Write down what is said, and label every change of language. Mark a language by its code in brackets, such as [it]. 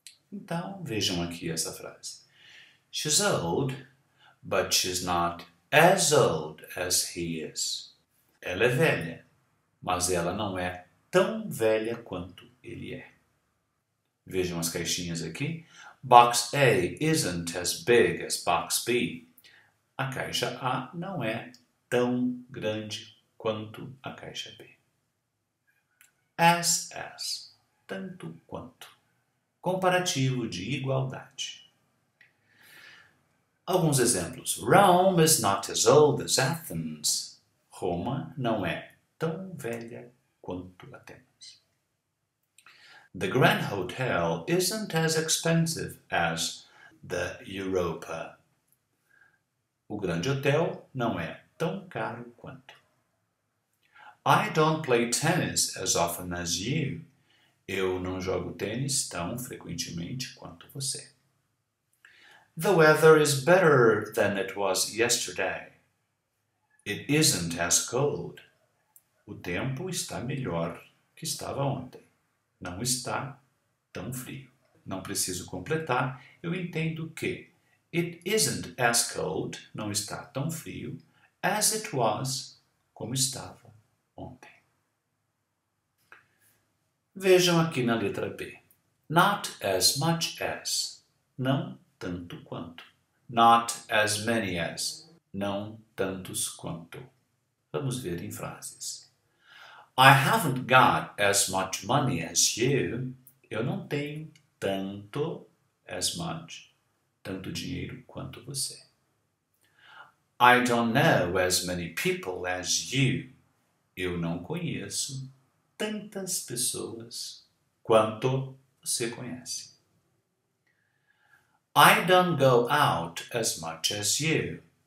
[pt] Então, vejam aqui essa frase: [en] She's old, but she's not as old as he is. [pt] Ela é velha, mas ela não é tão velha quanto ele é. Vejam as caixinhas aqui. [en] Box A isn't as big as box B. [pt] A caixa A não é tão grande quanto a caixa B. As, tanto quanto. Comparativo de igualdade. Alguns exemplos. [en] Rome is not as old as Athens. [pt] Roma não é tão velha quanto Atenas. [en] The Grand Hotel isn't as expensive as the Europa. [pt] O Grande Hotel não é tão caro quanto. [en] I don't play tennis as often as you. [pt] Eu não jogo tênis tão frequentemente quanto você. [en] The weather is better than it was yesterday. It isn't as cold. [pt] O tempo está melhor que estava ontem. Não está tão frio. Não preciso completar, eu entendo que [en] it isn't as cold, [pt] não está tão frio, [en] as it was, [pt] como estava ontem. Vejam aqui na letra B. [en] Not as much as, [pt] não tanto quanto. [en] Not as many as, [pt] não tantos quanto. Vamos ver em frases. [en] I haven't got as much money as you. [pt] Eu não tenho tanto [en] as much, [pt] tanto dinheiro quanto você. [en] I don't know as many people as you. [pt] Eu não conheço tantas pessoas quanto você conhece. [en] I don't go out as much as you.